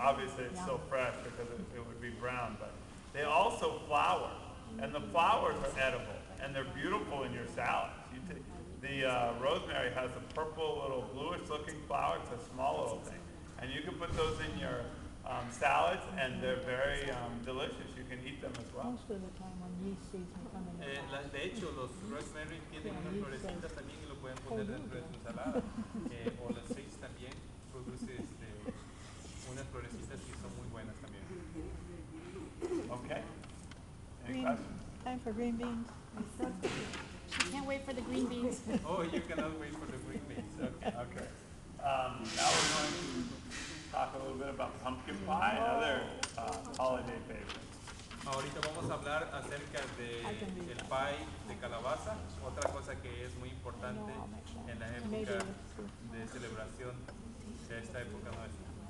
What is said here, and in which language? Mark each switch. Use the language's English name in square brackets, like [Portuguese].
[English] Obviously it's still fresh because it would be brown, but they also flower, and the flowers are edible, and they're beautiful in your salads. The rosemary has a purple, little bluish-looking flower. It's a small little thing, and you can put those in your salads, and they're very delicious. You can eat them as well. [Spanish] De hecho, los rosemary tienen unas florecitas también, y lo pueden poner dentro de su ensalada. O las seeds también producen unas florecitas que son muy buenas también. [English] Okay. Time for green beans. She can't wait for the green beans. Oh, you cannot wait for the green beans. Okay. Now we're going to talk a little bit about pumpkin pie, another holiday favorite. [Spanish] Ahorita vamos a hablar acerca de el pie de calabaza, otra cosa que es muy importante en la época de celebración de esta época nuestra.